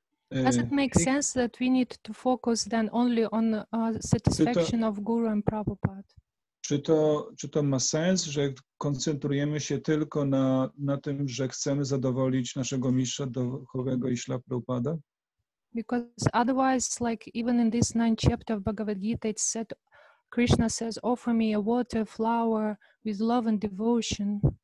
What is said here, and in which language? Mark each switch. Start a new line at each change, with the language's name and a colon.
English: Does it make sense that we need to focus then only on satisfaction of Guru and Prabhupada?
Polish: Czy to ma sens, że koncentrujemy się tylko na tym, że chcemy zadowolić naszego mistrza duchowego i Śla Prabhupada?
English: Because otherwise, like even in this ninth chapter of Bhagavad Gita, it said, Krishna says, offer me a water, flower with love and devotion.